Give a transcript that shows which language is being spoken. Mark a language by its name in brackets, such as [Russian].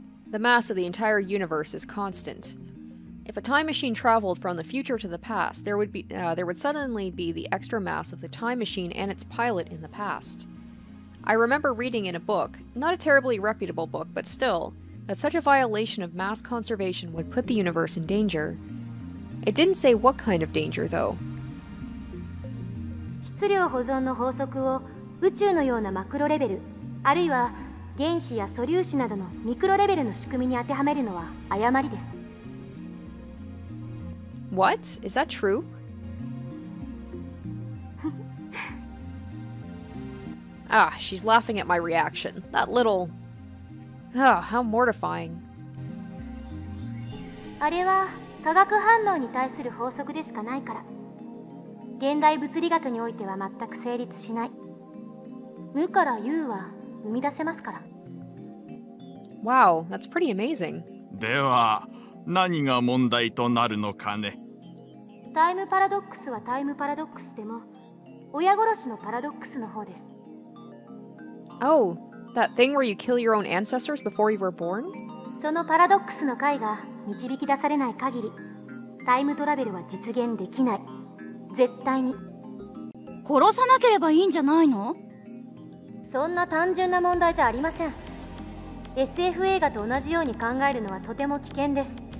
[English] The mass of the entire universe is constant. If a time machine traveled from the future to the past, there would suddenly be the extra mass of the time machine and its pilot in the past. I remember reading in a book, not a terribly reputable book, but still, that such a violation of mass conservation would put the universe in danger. It didn't say what kind of danger, though. [Japanese] 質量保存の法則を宇宙のようなマクロレベル、あるいは原子や素粒子などのミクロレベルの仕組みに当てはめるのは誤りです。 [English] What? Is that true? Ah, she's laughing at my reaction. That little... Ah, how mortifying. [Japanese] あれは化学反応に対する法則でしかないから。現代物理学においては全く成立しない。無から有は生み出せますから。 [English] Wow, that's pretty amazing. [Japanese] では、何が問題となるのかね。タイムパラドックスはタイムパラドックスでも、親殺しのパラドックスの方です。 [English] Oh, that thing where you kill your own ancestors before you were born? [Japanese] そのパラドックスの解が導き出されない限り、タイムトラベルは実現できない。絶対に。殺さなければいいんじゃないの？そんな単純な問題じゃありません。SF 映画と同じように考えるのはとても危険です。